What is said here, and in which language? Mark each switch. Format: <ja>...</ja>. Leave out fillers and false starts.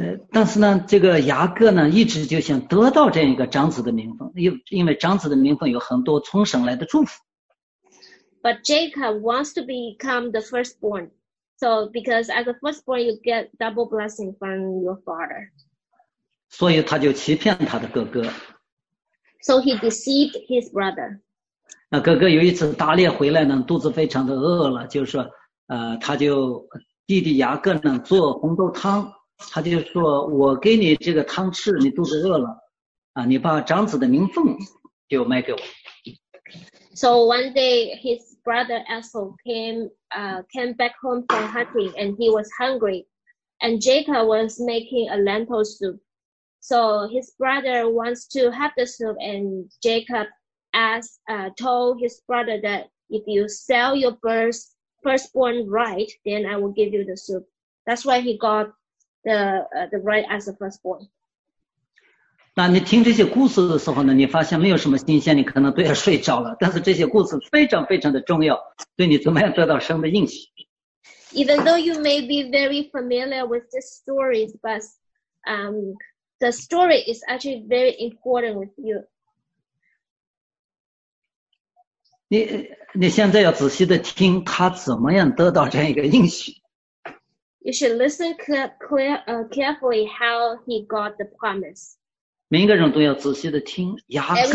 <zh>但是呢，这个雅各呢，一直就想得到这样一个长子的名分，因为长子的名分有很多从神来的祝福。</zh> <en>But Jacob wants to become the firstborn, so because as a firstborn you get double blessing from your father.</en> <zh>所以他就欺骗他的哥哥。</zh> <en>So he deceived his brother.</en> <zh>那哥哥有一次打猎回来呢，肚子非常的饿了，就是说。他就弟弟雅各呢做红豆汤，他就说：“我给你这个汤吃，你肚子饿了，你把长子的名分就卖给我。”</zh> <en>So one day his brother Esau came back home from hunting, and he was hungry. and Jacob was making a lentil soup. So his brother wants to have the soup, and Jacob told his brother that if you sell your firstborn right, then I will give you the soup. That's why he got the right as a firstborn.</en> <zh>那你听这些故事的时候呢，你发现没有什么新鲜，你可能都要睡着了。但是这些故事非常非常的重要，对你怎么样得到神的应许。</zh> <en>Even though you may be very familiar with the stories, but the story is actually very important with you.</en> <zh>你现在要仔细的听他怎么样得到这样一个应许。</zh> <en>You should listen carefully how he got the promise.</en> <zh>每一个人都要仔细地听雅各。</zh>